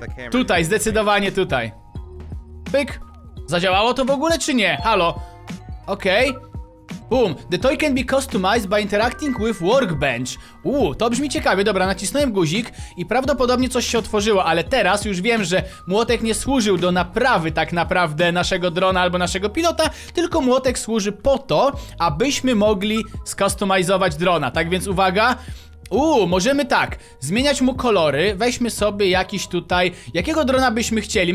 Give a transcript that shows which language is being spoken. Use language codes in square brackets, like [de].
[pl] Tutaj, zdecydowanie tutaj. Pyk! Zadziałało to w ogóle czy nie? Halo? Okej. Okay. [en] Boom, the toy can be customized by interacting with workbench. [pl] To brzmi ciekawie, dobra, nacisnąłem guzik i prawdopodobnie coś się otworzyło, ale teraz już wiem, że młotek nie służył do naprawy tak naprawdę naszego drona albo naszego pilota, tylko młotek służy po to, abyśmy mogli skustomizować drona. Tak więc uwaga, możemy tak, zmieniać mu kolory, weźmy sobie jakiś tutaj, jakiego drona byśmy chcieli.